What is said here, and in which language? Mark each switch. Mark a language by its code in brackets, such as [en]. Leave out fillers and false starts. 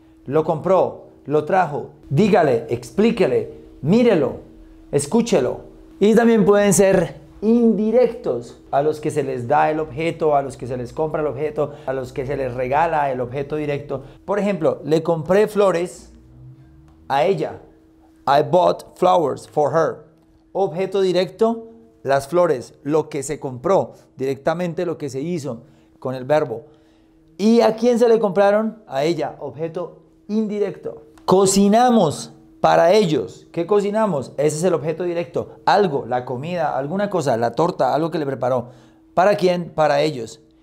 [es] Lo compró, lo trajo, dígale, explíquele, mírelo, escúchelo. Y también pueden ser indirectos a los que se les da el objeto, a los que se les compra el objeto, a los que se les regala el objeto directo. Por ejemplo, le compré flores a ella. [en] I bought flowers for her. [es] Objeto directo, las flores, lo que se compró, directamente lo que se hizo con el verbo. ¿Y a quién se le compraron? A ella. Objeto indirecto. Cocinamos para ellos. ¿Qué cocinamos? Ese es el objeto directo. Algo, la comida, alguna cosa, la torta, algo que le preparó. ¿Para quién? Para ellos.